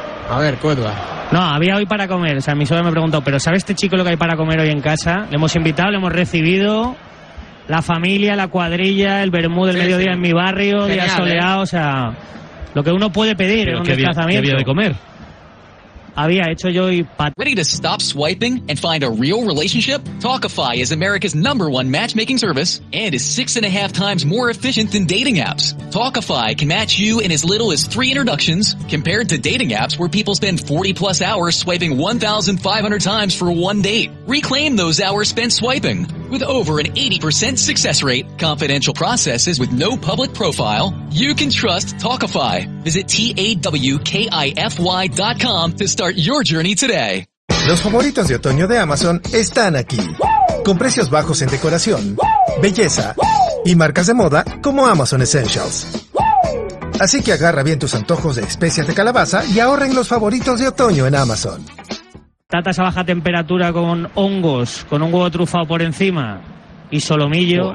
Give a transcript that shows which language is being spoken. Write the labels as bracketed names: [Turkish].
[Spanish] A ver, Cuedua. No, había hoy para comer. O sea, mi suegra me preguntó, ¿pero sabe este chico lo que hay para comer hoy en casa? Le hemos invitado, le hemos recibido. La familia, la cuadrilla, el vermú del mediodía en mi barrio. Genial, día soleado, o sea, lo que uno puede pedir. Pero en un desplazamiento. ¿Qué había de comer? Había hecho yo y [English] Ready to stop swiping and find a real relationship? Talkify is America's number one matchmaking service and is 6.5 times more efficient than dating apps. Talkify can match you in as little as 3 introductions compared to dating apps where people spend 40 plus hours swiping 1,500 times for one date. Reclaim those hours spent swiping. With over an 80% success rate, confidential processes with no public profile, you can trust Talkify. Visit TAWKIFY.com to start your journey today. [Spanish] Los favoritos de otoño de Amazon están aquí. Con precios bajos en decoración, belleza y marcas de moda como Amazon Essentials. Así que agarra bien tus antojos de especias de calabaza y ahorren los favoritos de otoño en Amazon. Tatas a baja temperatura con hongos, con un huevo trufado por encima y solomillo.